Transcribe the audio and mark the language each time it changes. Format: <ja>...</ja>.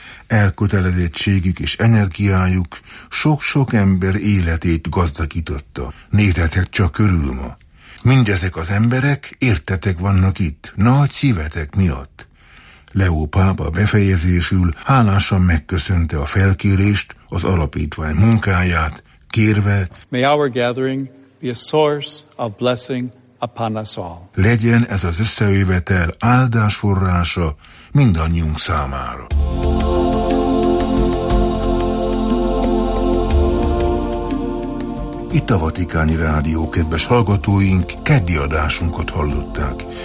<hu>Elkötelezettségük és energiájuk sok-sok ember életét gazdagította. Nézzetek csak körül ma. Mindezek az emberek értetek vannak itt, nagy szívetek miatt. Leó pápa befejezésül hálásan megköszönte a felkérést, az alapítvány munkáját, kérve:</hu> <en>May our gathering be a source of blessing upon us all.</en> <hu>Legyen ez az összejövetel áldás forrása mindannyiunk számára. Itt a Vatikáni Rádió, kedves hallgatóink, keddi adásunkat hallották.</hu>